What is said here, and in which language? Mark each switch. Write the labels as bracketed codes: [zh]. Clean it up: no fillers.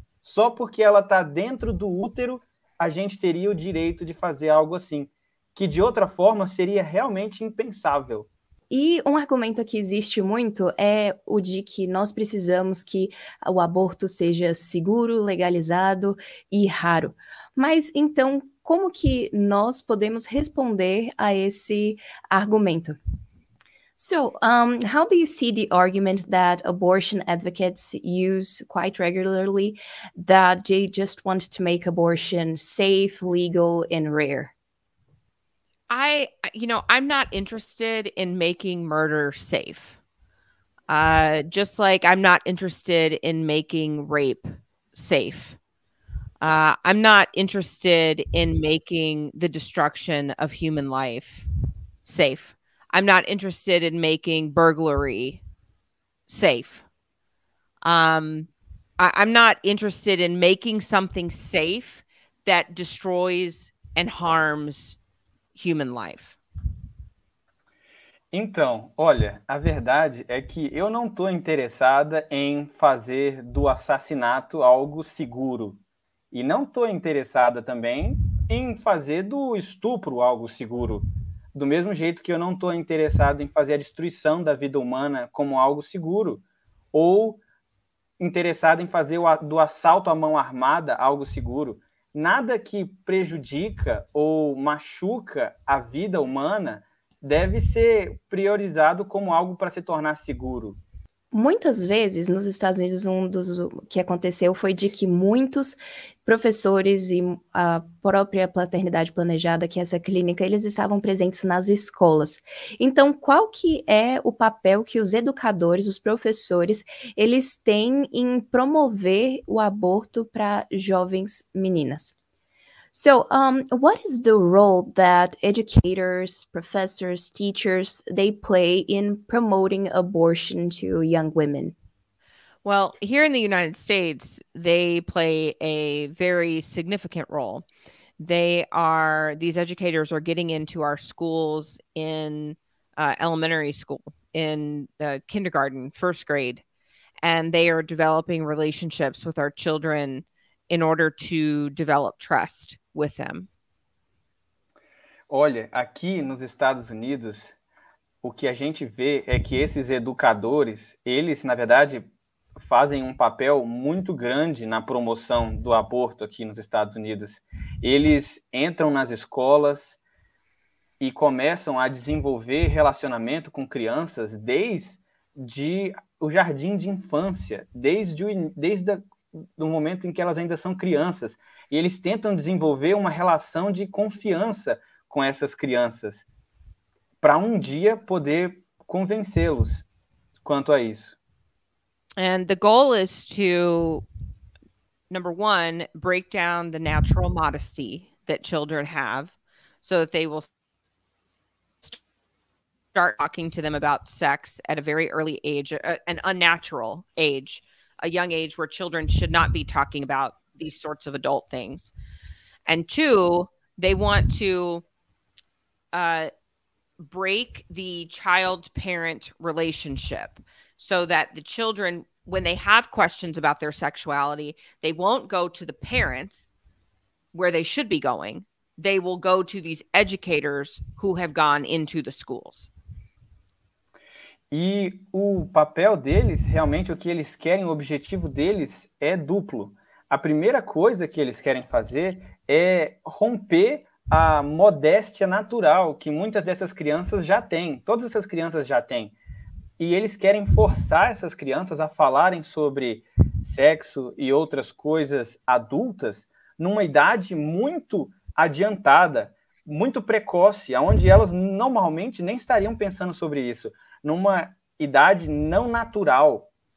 [pt] Só porque ela está dentro do útero, a gente teria o direito de fazer algo assim, que de outra forma seria realmente impensável. E um argumento que existe muito é o de que nós precisamos que o aborto seja seguro, legalizado e raro. Mas então, como que nós podemos responder a esse argumento? [en] So, how do you see the argument that abortion advocates use quite regularly, that they just want to make abortion safe, legal, and rare? I'm not interested in making murder safe. Just like I'm not interested in making rape safe. I'm not interested in making the destruction of human life safe. I'm not interested in making burglary safe. I'm not interested in making something safe that destroys and harms human life. [pt] Então, olha, a verdade é que eu não estou interessada em fazer do assassinato algo seguro. E não estou interessada também em fazer do estupro algo seguro. Do mesmo jeito que eu não estou interessado em fazer a destruição da vida humana como algo seguro. Ou interessado em fazer do assalto à mão armada algo seguro. Nada que prejudica ou machuca a vida humana deve ser priorizado como algo para se tornar seguro. Muitas vezes, nos Estados Unidos, que aconteceu foi de que muitos professores e a própria paternidade planejada, que é essa clínica, eles estavam presentes nas escolas. Então, qual que é o papel que os educadores, os professores, eles têm em promover o aborto para jovens meninas? [en] So, what is the role that educators, professors, teachers, they play in promoting abortion to young women? Well, here in the United States, they play a very significant role. They are, these educators are getting into our schools in elementary school, in kindergarten, first grade, and they are developing relationships with our children in order to develop trust with them. [pt] Olha, aqui nos Estados Unidos, o que a gente vê é que esses educadores, eles, na verdade, fazem um papel muito grande na promoção do aborto aqui nos Estados Unidos. Eles entram nas escolas e começam a desenvolver relacionamento com crianças desde o jardim de infância, desde do momento em que elas ainda são crianças. E eles tentam desenvolver uma relação de confiança com essas crianças, para um dia poder convencê-los quanto a isso. [en] And the goal is to, number one, break down the natural modesty that children have, so that they will start talking to them about sex at a very early age, an unnatural age, a young age where children should not be talking about these sorts of adult things. And two, they want to break the child-parent relationship, so that the children, when they have questions about their sexuality, they won't go to the parents where they should be going. They will go to these educators who have gone into the schools. [pt] E o papel deles, realmente o que eles querem, o objetivo deles é duplo. A primeira coisa que eles querem fazer é romper a modéstia natural que muitas dessas crianças já têm. Todas essas crianças já têm. E eles querem forçar essas crianças a falarem sobre sexo e outras coisas adultas numa idade muito adiantada, muito precoce, onde elas normalmente nem estariam pensando sobre isso, numa idade não natural.